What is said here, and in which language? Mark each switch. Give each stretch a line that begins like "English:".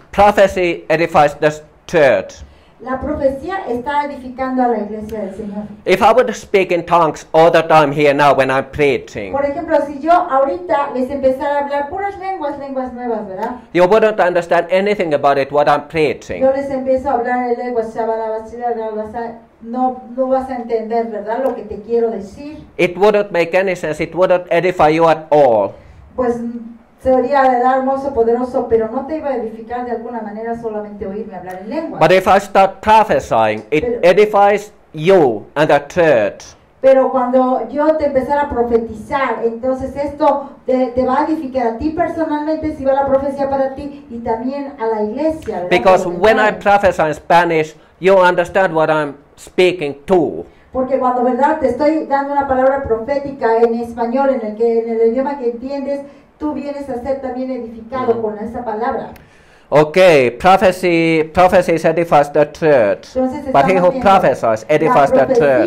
English: Prophecy edifies the church.
Spanish: La profecía está edificando a la iglesia del Señor.
English: If I would speak in tongues all the time here now when I'm preaching.
Spanish: Por ejemplo, si yo ahorita les empezara a hablar puras lenguas nuevas, ¿verdad?
English: You wouldn't understand anything about it what I'm preaching.
Spanish: Yo les empiezo a hablar en lenguas chavalabas, no vas a entender, ¿verdad? Lo que te quiero decir.
English: It wouldn't make any sense. It wouldn't edify you at all.
Spanish: Pues sería de dar hermoso, poderoso, pero no te iba a edificar de alguna manera solamente oírme hablar en lengua.
English: But if I start prophesying, it edifies you and the church.
Spanish: Pero cuando yo te empezara a profetizar, entonces esto te va a edificar a ti personalmente, si va la profecía para ti y también a la iglesia.
English: Because when I prophesy in Spanish, you understand what I'm speaking to.
Spanish: Porque cuando, verdad, te estoy dando una palabra profética en español, en el idioma que entiendes, tú vienes a ser también edificado con esa palabra.
English: Okay, prophecy edifies the church.
Spanish: Entonces,
English: but he who prophesies edifies the church.